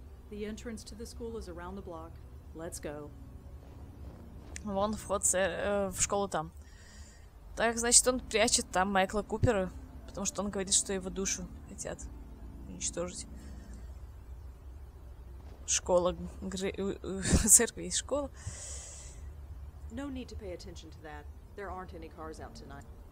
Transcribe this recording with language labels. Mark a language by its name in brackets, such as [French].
[English] The entrance to the school is around the block. Let's go. [Russian] Вон вход в школу там. Так, значит, он прячет там Майкла Купера, потому что он говорит, что его душу хотят уничтожить. Школа, церковь есть школа. [English] No need to pay attention to that. There aren't any cars out tonight.